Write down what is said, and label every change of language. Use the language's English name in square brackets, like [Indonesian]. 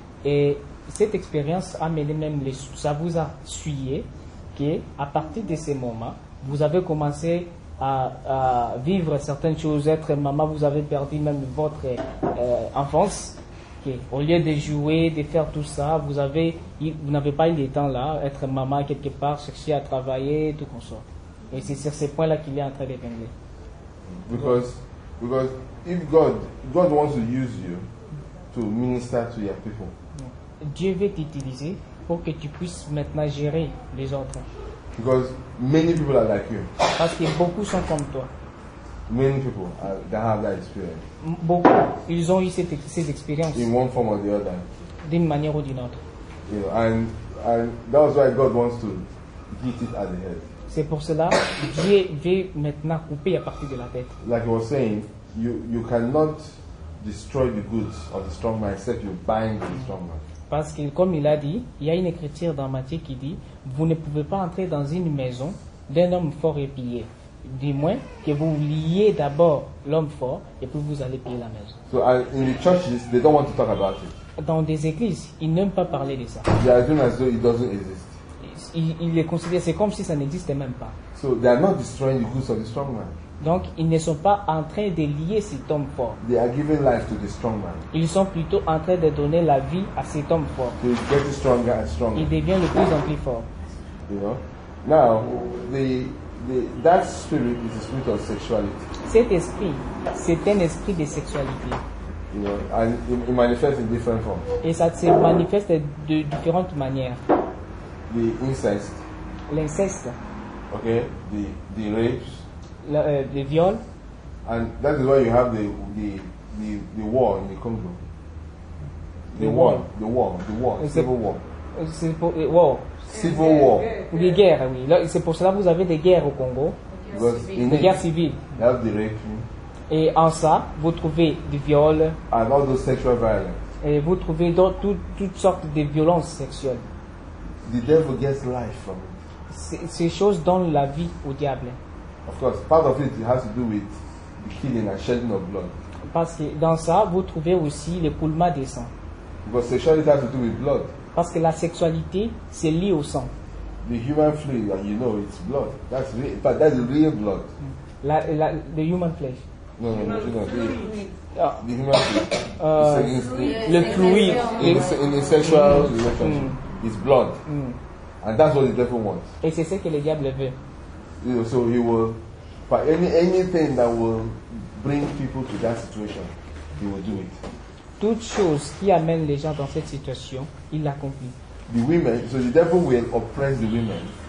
[French] Et cette expérience a mené même les sous. Ça vous a suyé qu'à partir de ce moment, vous avez commencé à vivre certaines choses, être maman, vous avez perdu même votre enfance. Okay. Au lieu de jouer, de faire tout ça, vous n'avez pas eu le temps là, être maman quelque part, chercher à travailler, tout comme ça. Et c'est sur ces points-là qu'il est en train d'épingler. [English] Because if God wants to use you to minister to your people. [French] Dieu veut t'utiliser pour que tu puisses maintenant gérer les autres. [English] Because many people are like you. [French] Parce que beaucoup sont comme toi. [English] Many people that have that experience. [French] Beaucoup, ils ont eu cette expérience. [English] In one form or the other. [French] D'une manière ou d'une autre. [English] You know, and that was why God wants to get it at the head. [French] C'est pour cela Dieu veut maintenant couper à partir de la tête. [English] Like I was saying, you cannot destroy the goods of the strong man except you bind the strong man. [French] Parce que comme il a dit, il y a une écriture dans Matthieu qui dit, vous ne pouvez pas entrer dans une maison d'un homme fort et pillé. Du moins que vous liez d'abord l'homme fort et puis vous allez payer la maison. [English] So in the churches, they don't want to talk about it. [French] Dans des églises, ils n'aiment pas parler de ça. [English] They assume as though it doesn't exist. [French] Ils les considèrent, c'est comme si ça n'existait même pas. [English] So they are not destroying the goods of the strong man. [French] Donc ils ne sont pas en train de lier cet homme fort. [English] They are giving life to the strong man. [French] Ils sont plutôt en train de donner la vie à cet homme fort. [English] So he's getting stronger and stronger. [French] Il devient de plus en plus fort. [English] You know? Now that spirit is a spirit of sexuality. [French] Cet esprit, c'est un esprit de sexualité. [English] You know, and it manifests in different forms. [French] Et ça se manifeste de différentes manières. [English] The incest. [French] L'inceste. [English] Okay. The rapes. The viol. And that is why you have the war in the Congo. The war. Civil war. [French] Les guerres, oui. Là, c'est pour cela que vous avez des guerres au Congo. Des guerres civiles. [English] They have the rape. [French] Et en ça, vous trouvez du viol. [English] And all those sexual violence. [French] Et vous trouvez toutes sortes de violences sexuelles. [English] The devil gets life from it. [French] Ces choses donnent la vie au diable. [English] Of course, part of it has to do with the killing and shedding of blood. [French] Parce que dans ça, vous trouvez aussi le coulement des sangs. [English] Because sexuality has to do with blood. [French] Parce que la sexualité, c'est lié au sang. [English] The human flesh, you know, it's blood. That's real blood. The human flesh. No, human flesh. [French] Le fluide. [English] In a sexual relationship, it's blood. And that's what the devil wants. [French] Et c'est ce que le diable veut. [English] You know, so he will, for anything that will bring people to that situation, he will do it. [French] Toute chose qui amène les gens dans cette situation, il l'accomplit. [English] The women, so the devil will oppress the women.